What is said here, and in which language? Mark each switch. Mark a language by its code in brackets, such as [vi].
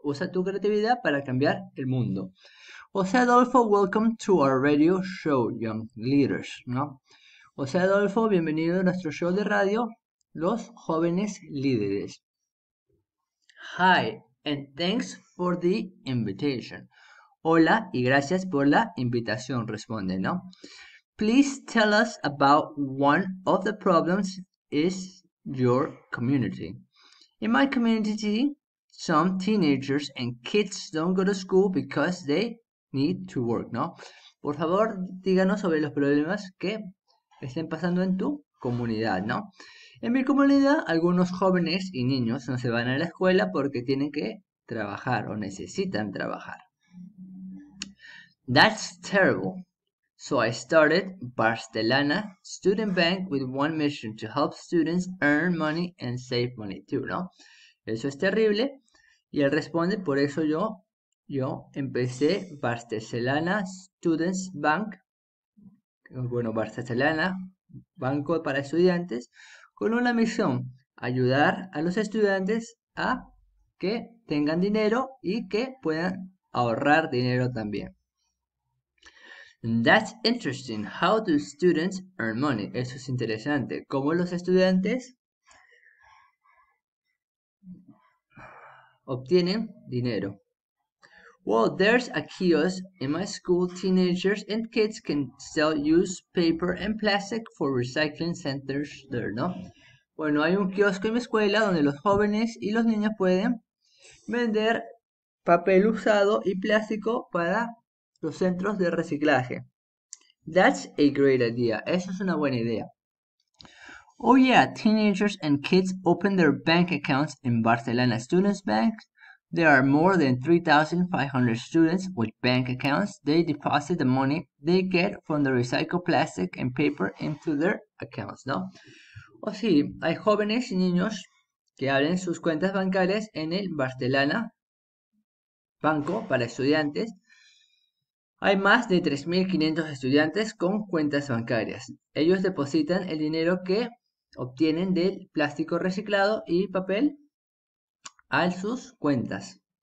[es] Usa tu creatividad para cambiar el mundo. [en] José Adolfo, welcome to our radio show, Young Leaders, ¿no? [es] José Adolfo, bienvenido a nuestro show de radio, Los Jóvenes Líderes. [en] Hi, and thanks for the invitation. [es] Hola y gracias por la invitación, responde, ¿no? [en] Please tell us about one of the problems is your community. In my community, some teenagers and kids don't go to school because they need to work, ¿no? [es] Por favor, díganos sobre los problemas que estén pasando en tu comunidad, ¿no? En mi comunidad, algunos jóvenes y niños no se van a la escuela porque tienen que trabajar o necesitan trabajar. [en] That's terrible. So I started Barcelona Student Bank with one mission to help students earn money and save money too, ¿no? [es] Eso es terrible. Y él responde, por eso yo empecé Barcelona Students Bank, bueno, Barcelona, banco para estudiantes, con una misión, ayudar a los estudiantes a que tengan dinero y que puedan ahorrar dinero también. [en] That's interesting. How do students earn money? [es] Eso es interesante. ¿Cómo los estudiantes obtienen dinero? [en] Well, there's a kiosk in my school. Teenagers and kids can sell used paper and plastic for recycling centers there, ¿no? [es] Bueno, hay un kiosco en mi escuela donde los jóvenes y los niños pueden vender papel usado y plástico para los centros de reciclaje. [en] That's a great idea. [es] Eso es una buena idea. [en] Oh yeah, teenagers and kids open their bank accounts in Barcelona Students Bank. There are more than 3,500 students with bank accounts. They deposit the money they get from the recycled plastic and paper into their accounts, ¿no? [es] O sí, hay jóvenes y niños que abren sus cuentas bancarias en el Barcelona Banco para estudiantes. Hay más de 3.500 estudiantes con cuentas bancarias. Ellos depositan el dinero que obtienen del plástico reciclado y papel a sus cuentas.